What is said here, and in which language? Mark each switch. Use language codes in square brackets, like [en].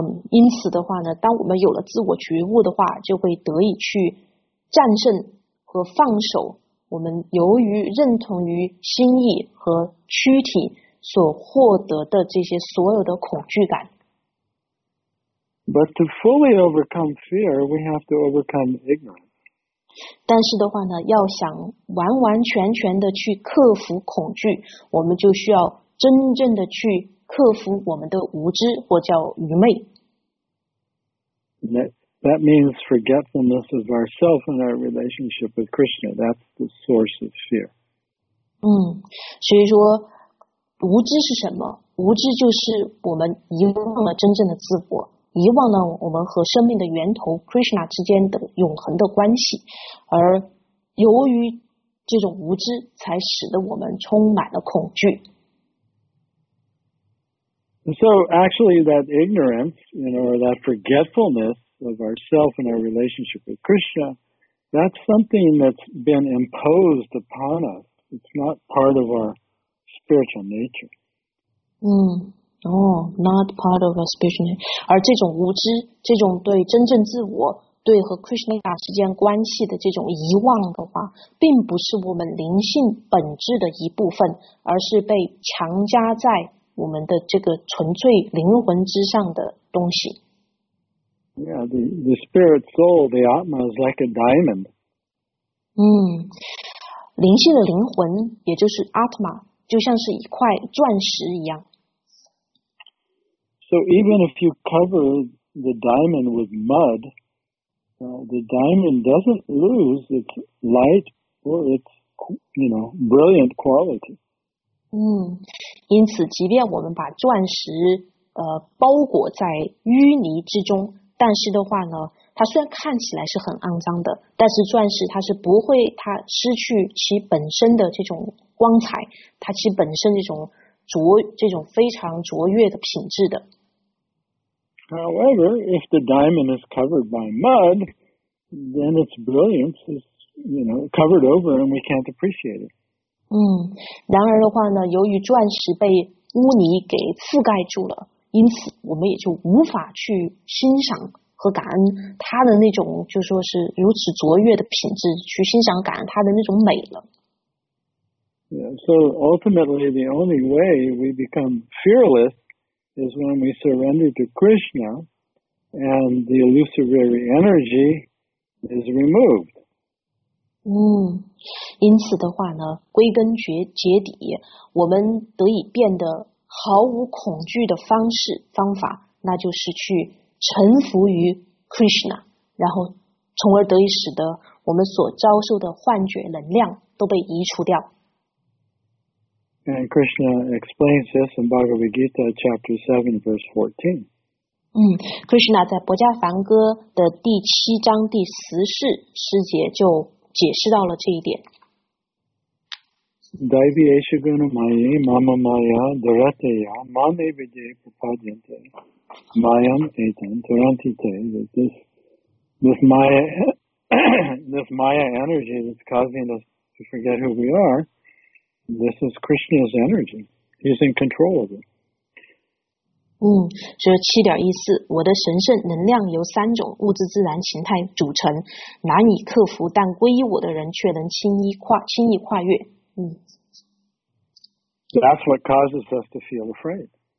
[zh] 因此的话呢，当我们有了自我觉悟的话，就会得以去战胜和放手我们由于认同于心意和躯体所获得的这些所有的恐惧感。 [en] But to fully overcome fear, we have to overcome ignorance. [zh] 但是的话呢，要想完完全全的去克服恐惧，我们就需要真正的去克服我们的无知，或叫愚昧。 [en] That means forgetfulness of ourself and our relationship with Krishna. That's the source of fear. [zh] 所以说，无知是什么？无知就是我们遗忘了真正的自我。遗忘了我们和生命的源头 Krishna 之间的永恒的关系，而由于这种无知，才使得我们充满了恐惧。 [en] So actually, that ignorance, you know, or that forgetfulness of ourselves and our relationship with Krishna, that's something that's been imposed upon us. It's not part of our spiritual nature. Not part of our spiritual nature. [zh] 而这种无知，这种对真正自我，对和 Krishna 之间关系的这种遗忘的话，并不是我们灵性本质的一部分，而是被强加在我们的这个纯粹灵魂之上的东西。 [en] Yeah, the spirit soul, the Atma is like a diamond. [zh] 灵性的灵魂，也就是 Atma, 就像是一块钻石一样。 [en] So even if you cover the diamond with mud, the diamond doesn't lose its light or its, you know, brilliant quality. [zh] 因此即便我们把钻石包裹在淤泥之中，但是的话呢，它虽然看起来是很肮脏的，但是钻石它是不会它失去其本身的这种光彩，它其本身这种非常卓越的品质的。 [en] However, if the diamond is covered by mud, then its brilliance is, you know, covered over and we can't appreciate it. [zh] 然而的话呢，由于钻石被污泥给覆盖住了，因此我们也就无法去欣赏和感恩它的那种，就说是如此卓越的品质，去欣赏感恩它的那种美了。 [en] Yeah, so ultimately, the only way we become fearless is when we surrender to Krishna and the illusory energy is removed. [zh] 因此的话呢，归根结底，我们得以变得毫无恐惧的方法，那就是去臣服于 Krishna, 然后从而得以使得我们所遭受的幻觉能量都被移除掉。 [en] And Krishna explains this in Bhagavad Gita, chapter 7, verse 14. [zh] Krishna 在《薄伽梵歌》的第七章第十四十节就解释到了这一点。 [sa] Daivyesha guna maye mama maya dharateya mame vijaya papadyante mayam etan tarantite. [en] This maya energy that's causing us to forget who we are,This is Krishna's energy. He's in control of it. [zh] 这七点一四，我的神圣能量由三种物质自然形态组成，难以克服，但皈依我的人却能轻易跨越。 [en] That's what causes us to feel afraid.